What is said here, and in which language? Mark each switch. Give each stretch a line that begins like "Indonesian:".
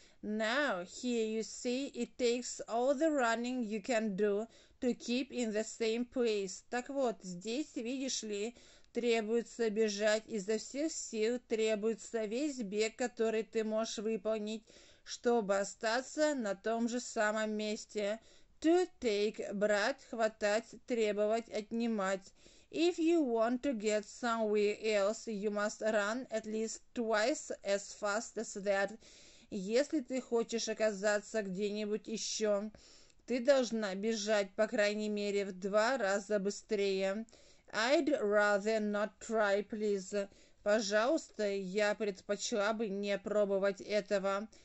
English: Now, here you see, it takes all the running you can do to keep in the same place.
Russian: Так вот, здесь, видишь ли, требуется бежать изо всех сил, требуется весь бег, который ты можешь выполнить, чтобы остаться на том же самом месте.
English: To take
Russian: – брать, хватать, требовать, отнимать.
English: If you want to get somewhere else, you must run at least twice as fast as that.
Russian: Если ты хочешь оказаться где-нибудь еще, ты должна бежать, по крайней мере, в два раза быстрее.
English: I'd rather not try, please.
Russian: Пожалуйста, я предпочла бы не пробовать этого.